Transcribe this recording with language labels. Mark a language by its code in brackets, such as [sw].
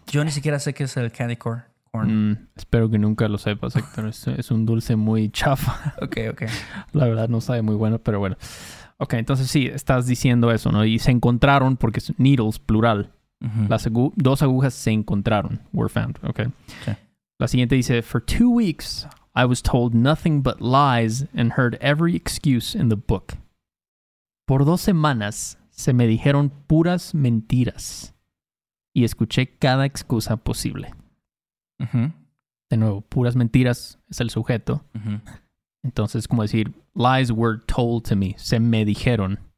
[es] Yo ni siquiera sé qué es el candy corn. Espero que nunca lo sepas, Héctor. Es un dulce muy chafa. Ok. La verdad no sabe muy bueno, pero bueno. Ok, entonces sí, estás diciendo eso, ¿no? Y se encontraron, porque es needles, plural. Uh-huh. Dos agujas se encontraron. [en] Were found. Ok. [es] La siguiente dice: [en] for 2 weeks, I was told nothing but lies and heard every excuse in the book. [es] Por 2 semanas, se me dijeron puras mentiras y escuché cada excusa posible. Uh-huh. De nuevo, puras mentiras es el sujeto. Uh-huh. Entonces, como decir, [en] lies were told to me, [es] se me dijeron.